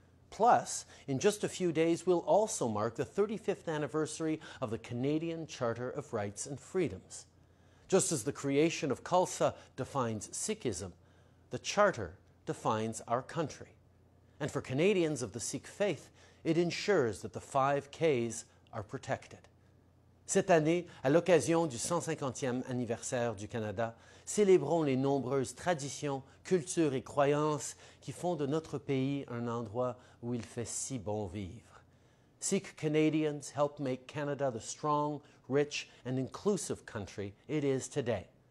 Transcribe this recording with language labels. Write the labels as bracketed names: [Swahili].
[English] Plus, in just a few days, we'll also mark the 35th anniversary of the Canadian Charter of Rights and Freedoms. Just as the creation of Khalsa defines Sikhism, the Charter defines our country. And for Canadians of the Sikh faith, it ensures that the five Ks are protected. [French] Cette année, à l'occasion du 150e anniversaire du Canada, célébrons les nombreuses traditions, cultures et croyances qui font de notre pays un endroit où il fait si bon vivre. [English] Sikh Canadians help make Canada the strong, rich and inclusive country it is today.